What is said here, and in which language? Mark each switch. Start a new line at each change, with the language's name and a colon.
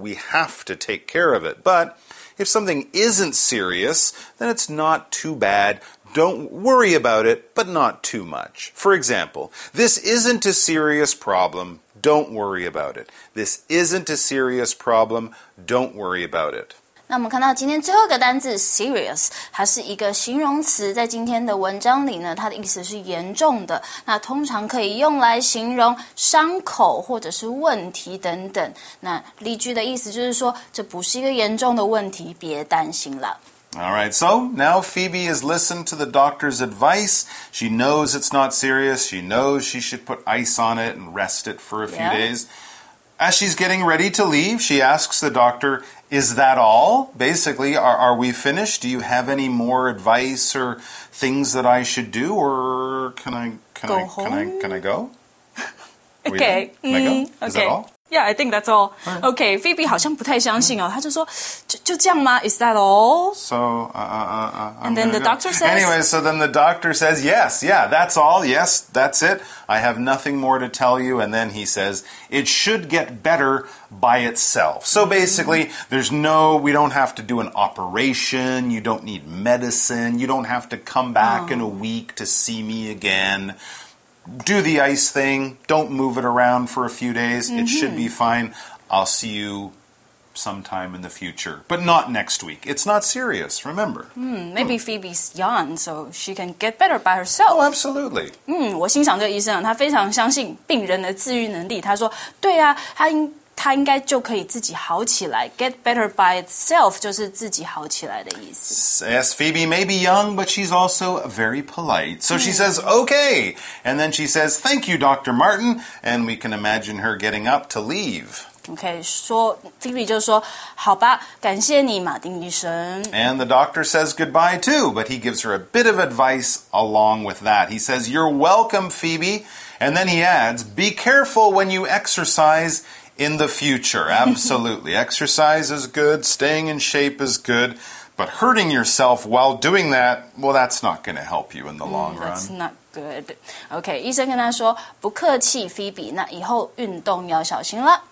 English: We have to take care of it. But if something isn't serious, then it's not too bad. Don't worry about it, but not too much. For example, this isn't a serious problem. Don't worry about it. This isn't a serious problem. Don't worry about it.
Chinese: 那我们看到今天最后一个单字 serious， 它是一个形容词，在今天的文章里呢，它的意思是严重的。那通常可以用来形容伤口或者是问题等等。那例句的意思就是说，这不是一个严重的问题，别担心了。
English: All right, so now Phoebe has listened to the doctor's advice. She knows it's not serious. She knows she should put ice on it and rest it for a few days. As she's getting ready to leave, she asks the doctor, is that all? Basically, are we finished? Do you have any more advice or things that I should do? Or can I go? Okay. Is that all? Yeah, I think that's all.
Chinese: Okay, Phoebe 好像不太相信哦，她就说，就这样吗？
English: Is that all? So then the doctor says, yes, yeah, that's all. Yes, that's it. I have nothing more to tell you. And then he says, it should get better by itself. So basically, we don't have to do an operation. You don't need medicine. You don't have to come back in a week to see me again. do the ice thing. Don't move it around for a few days. Mm-hmm. It should be fine. I'll see you sometime in the future, but not next week. It's not serious, remember. Maybe Phoebe's young, so she can get better by herself. Oh, absolutely.
Chinese: 我欣赏这个医生，他非常相信病人的自愈能力。他说，对啊，他应该就可以自己好起来。
English: Get better by itself
Chinese: 就是自己好起来的意思。
English: Yes, Phoebe may be young, but she's also very polite. So she says, okay. And then she says, thank you, Dr. Martin. And we can imagine her getting up to leave.
Chinese: OK, 说 Phoebe 就说好吧感谢你马丁医生
English: And the doctor says goodbye too, but he gives her a bit of advice along with that. He says, you're welcome, Phoebe. And then he adds, be careful when you exercise in the future. Absolutely. Exercise is good. Staying in shape is good. But hurting yourself while doing that, well, that's not going to help you in the long run. That's not good.
Chinese: OK, 医生跟他说不客气 Phoebe, 那以后运动要小心了。